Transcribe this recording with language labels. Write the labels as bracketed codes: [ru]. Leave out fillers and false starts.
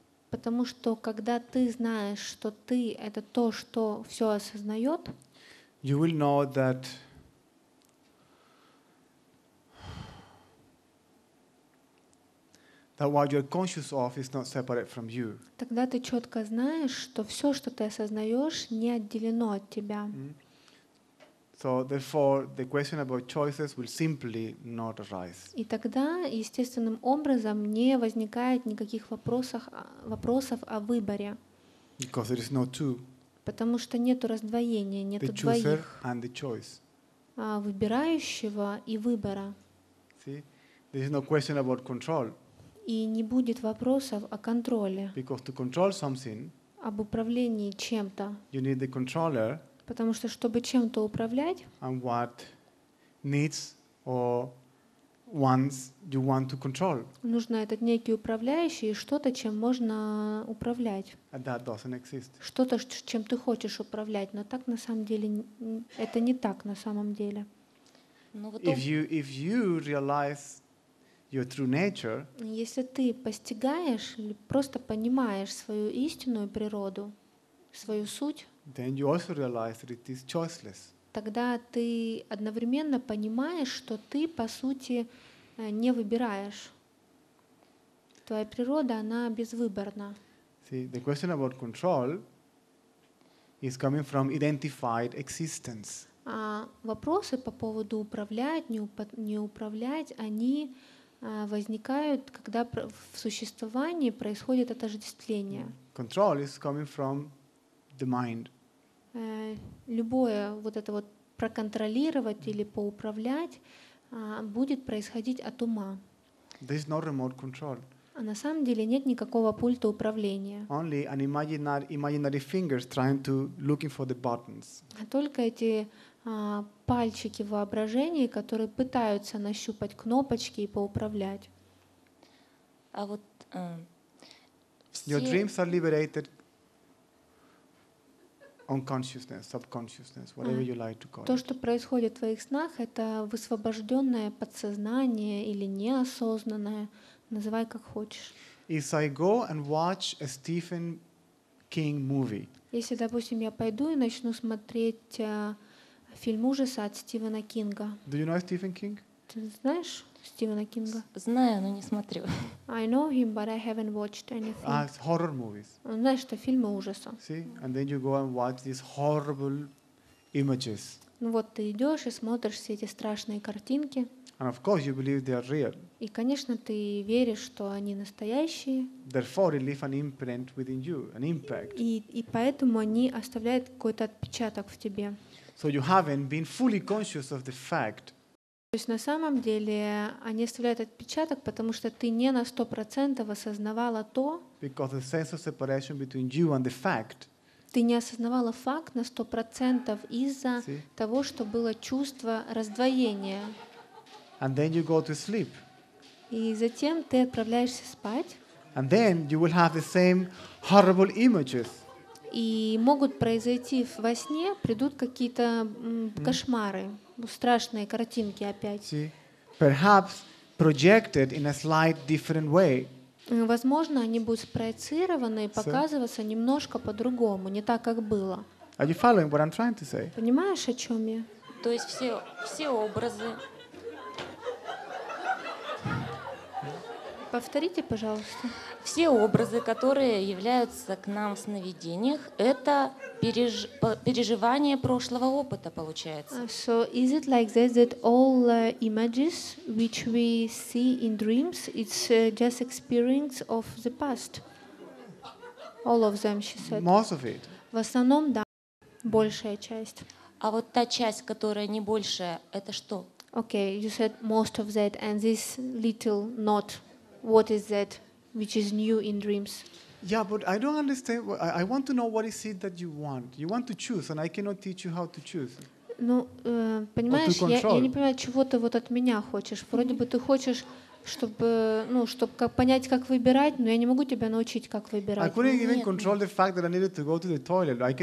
[ru] Потому что когда ты знаешь, что ты это то, что все осознает. [en] You will know that. That what you're conscious of is not separate from you. [ru] Тогда ты четко знаешь, что все, что ты осознаешь, не отделено от тебя. [en] So therefore, the question about choices will simply not arise. [ru] И тогда естественным образом не возникает никаких вопросов о выборе. [en] Because there is no two. [ru] Потому что нету раздвоения, нету двоих. [en] The chooser and the choice. [ru] Выбирающего и выбора. [en] See, there is no question about control. [ru] И не будет вопросов о контроле. [en] Because to control something, [ru] об управлении чем-то. [en] You need the controller. [ru] Потому что чтобы чем-то управлять. [en] And what needs or wants you want to control. [ru] Нужно этот некий управляющий и что-то, чем можно управлять. [en] And that doesn't exist. [ru] Что-то, чем ты хочешь управлять, но так на самом деле это не так на самом деле. [en] If you realize your true nature. [ru] Если ты постигаешь или просто понимаешь свою истинную природу, свою суть, [en] then you also realize that it is choiceless. [ru] Тогда ты одновременно понимаешь, что ты по сути не выбираешь. Твоя природа, она безвыборна. [en] See, the question about control is coming from identified existence. [ru] А вопросы по поводу управлять, не управлять, они возникают, когда в существовании происходит отождествление. [en] Control is coming from the mind. [ru] Любое вот это вот проконтролировать или поуправлять будет происходить от ума. [en] There is no remote control. [ru] А на самом деле нет никакого пульта управления. [en] Only an imaginary fingers trying to looking for the buttons. [ru] А только эти пальчики в воображении, которые пытаются нащупать кнопочки и поуправлять. А вот [en] Your dreams are liberated unconsciousness, subconsciousness, whatever you like to call it. [ru] То, что происходит в твоих снах, это высвобожденное подсознание или неосознанное, называй как хочешь. [en] If I go and watch a Stephen King movie. [ru] Если, допустим, я пойду и начну смотреть фильм ужаса от Стивена Кинга. [en] Do you know Stephen King? [ru] Ты знаешь Стивена Кинга? Знаю, но не смотрю. [en] I know him, but I haven't watched anything. Horror movies. [ru] Знаешь, это фильмы ужаса. [en] See, and then you go and watch these horrible images. [ru] Ну вот ты идешь и смотришь все эти страшные картинки. [en] And of course you believe they are real. [ru] И, конечно, ты веришь, что они настоящие. [en] Therefore, it leaves an imprint within you, an impact. [ru] И поэтому они оставляют какой-то отпечаток в тебе. [en] So you haven't been fully conscious of the fact. [ru] То есть на самом деле они оставляют отпечаток, потому что ты не на 100% осознавала то. [en] Because the sense of separation between you and the fact. [ru] ты не осознавала факт на 100% из-за того, что было чувство раздвоения. [en] And then you go to sleep. [ru] И затем ты отправляешься спать. [en] And then you will have the same horrible images. [ru] И могут произойти во сне, придут какие-то кошмары, страшные картинки опять. [en] See? Perhaps projected in a slight different way. [ru] Возможно, они будут спроецированы и показываться немножко по-другому, не так, как было. [en] Are you following what I'm trying to say? [ru] Понимаешь, о чем я? То есть все образы. Повторите, пожалуйста. Все образы, которые являются к нам в сновидениях, это переживание прошлого опыта, получается. [en] So is it like that, that all images which we see in dreams, it's just experience of the past? All of them, she said. Most of it. [ru] В основном, да. Большая часть. А вот та часть, которая не большая, это что? [en] Okay, you said most of that and this little not. What is that which is new in dreams? Yeah, but I don't understand. I want to know what is it that you want. You want to choose, and I cannot teach you how to choose. [ru] Ну, понимаешь, я не понимаю, чего ты вот от меня хочешь. Вроде бы ты хочешь, чтобы, ну, чтобы как понять, как выбирать, но я не могу тебя научить, как выбирать. [en] I couldn't even control the fact that I needed to go to the toilet.